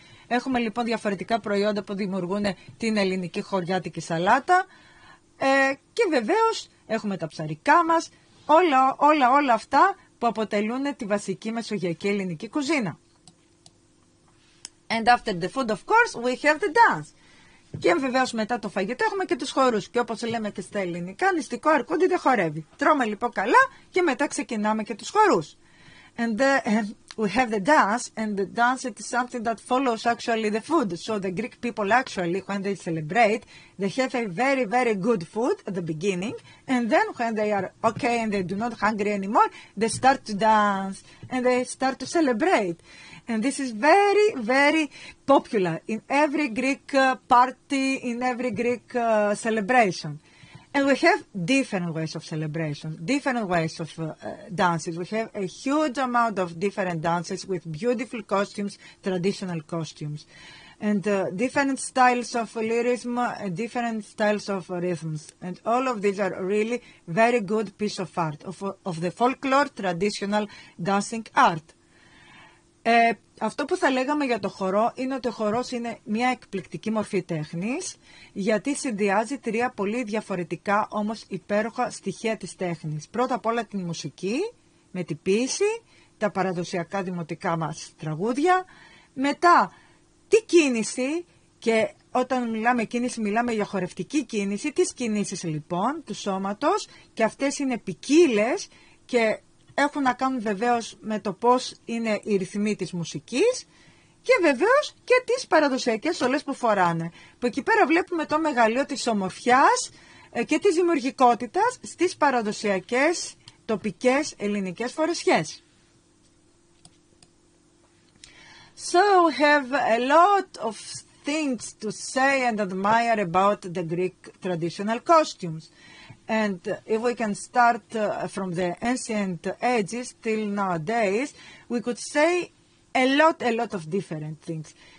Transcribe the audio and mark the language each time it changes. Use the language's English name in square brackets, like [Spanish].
[Greek] Έχουμε λοιπόν διαφορετικά προϊόντα που δημιουργούν την ελληνική χωριάτικη σαλάτα. Και βεβαίως έχουμε τα ψαρικά μας, όλα αυτά που αποτελούν τη βασική μεσογειακή ελληνική κουζίνα. [English] And after the food, of course, we have the dance. [Greek] Και βεβαίως μετά το φαγητό έχουμε και τους χορούς. Και όπως λέμε και στα ελληνικά, νηστικό αρκούντι δεν χορεύει. Τρώμε λοιπόν καλά και μετά ξεκινάμε και τους χορούς. [English] And the, we have the dance, and the dance it is something that follows actually the food. So the Greek people actually, when they celebrate, they have a very, very good food at the beginning, and then when they are okay and they do not hungry anymore, they start to dance, and they start to celebrate. And this is very, very popular in every Greek party, in every Greek celebration. And we have different ways of celebration, different ways of dances. We have a huge amount of different dances with beautiful costumes, traditional costumes, and different styles of lyrism, and different styles of rhythms. And all of these are really very good piece of art, of the folklore, traditional dancing art. [Greek] Αυτό που θα λέγαμε για το χορό είναι ότι ο χορός είναι μια εκπληκτική μορφή τέχνης, γιατί συνδυάζει τρία πολύ διαφορετικά όμως υπέροχα στοιχεία της τέχνης. Πρώτα απ' όλα την μουσική, με την ποίηση, τα παραδοσιακά δημοτικά μας τραγούδια. Μετά, τη κίνηση, και όταν μιλάμε κίνηση μιλάμε για χορευτική κίνηση, τις κινήσεις λοιπόν του σώματος, και αυτές είναι ποικίλες και έχουν να κάνουν βεβαίως με το πώς είναι οι ρυθμοί της μουσικής και βεβαίως και τις παραδοσιακές στολές που φοράνε. Που εκεί πέρα βλέπουμε το μεγαλείο της ομορφιάς και της δημιουργικότητας στις παραδοσιακές τοπικές ελληνικές φορεσιές. [English] So we have a lot of things to say and admire about the Greek traditional costumes. And if we can start from the ancient ages till nowadays, we could say a lot of different things.